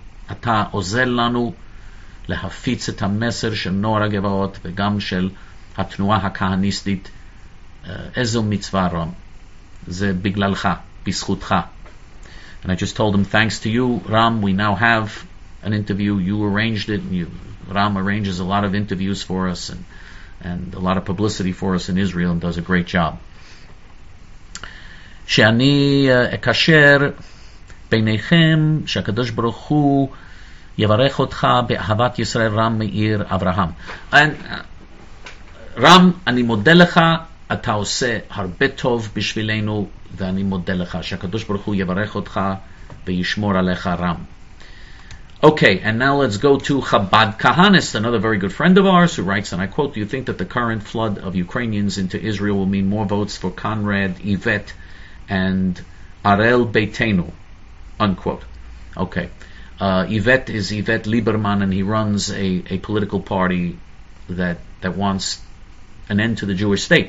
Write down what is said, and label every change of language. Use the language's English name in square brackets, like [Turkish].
[Hebrew] אתה עוזר לנו להפיץ את המסר של נוער הגבעות וגם של התנועה הכהניסטית. איזו מצווה, רם. זה בגללך, בזכותך. [English] And I just told him, thanks to you, Ram, we now have an interview. You arranged it. Ram arranges a lot of interviews for us and a lot of publicity for us in Israel and does a great job. [Hebrew] שאני אקשר ביניכם, שהקדוש ברוך הוא יברך אותך באהבת ישראל, רם מאיר אברהם. רם, אני מודה לך, אתה עושה הרבה טוב בשבילנו, ואני מודה לך, שהקדוש ברוך הוא יברך אותך וישמור עליך, רם. [English] Okay, and now let's go to Chabad Kahanist, another very good friend of ours, who writes, and I quote, do you think that the current flood of Ukrainians into Israel will mean more votes for Conrad, Yvette, and Arel Beitenu, unquote. Okay. Yvette is Yvette Lieberman, and he runs a political party that wants an end to the Jewish state.